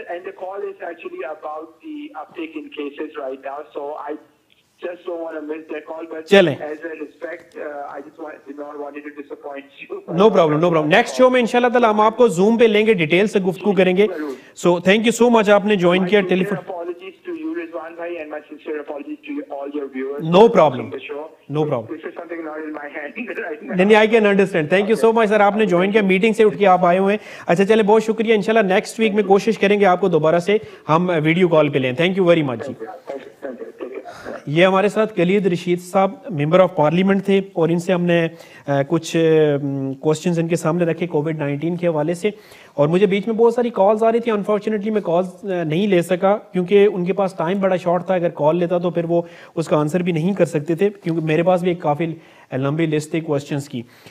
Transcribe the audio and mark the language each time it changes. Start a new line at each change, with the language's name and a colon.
English: The call is actually about the uptake in cases right now, so I just don't want to miss that call. But
Hindi: चलें.
English: As a respect, I just did not want to disappoint you. No problem. Next show
Hindi: में इंशाल्लाह ताला हम आपको Zoom पे लेंगे, detail से गुफ्तगू करेंगे।
English: So thank you so much,
Hindi: आपने ज्वाइन किया
English: Telephone. Apologies to you, Rizwan bhai, and my sincere apologies to all your viewers. No problem. This is something not in my hand right now. नहीं, I can understand. Thank you so much
Hindi: sir, आपने join किया, meeting से उठ के आप आए हुए हैं। अच्छा चले, बहुत शुक्रिया। इंशाल्लाह नेक्स्ट वीक में कोशिश करेंगे आपको दोबारा से हम वीडियो कॉल पे लें।
English: thank you very much
Hindi: ji.
English: Thank you.
Hindi: ये हमारे साथ कलीद रशीद साहब मेंबर ऑफ पार्लियामेंट थे और इनसे हमने कुछ क्वेश्चंस इनके सामने रखे कोविड 19 के हवाले से, और मुझे बीच में बहुत सारी कॉल्स आ रही थी, अनफॉर्चुनेटली मैं कॉल नहीं ले सका क्योंकि उनके पास टाइम बड़ा शॉर्ट था, अगर कॉल लेता तो फिर वो उसका आंसर भी नहीं कर सकते थे क्योंकि मेरे पास भी एक काफ़ी लंबी लिस्ट थी क्वेश्चंस की।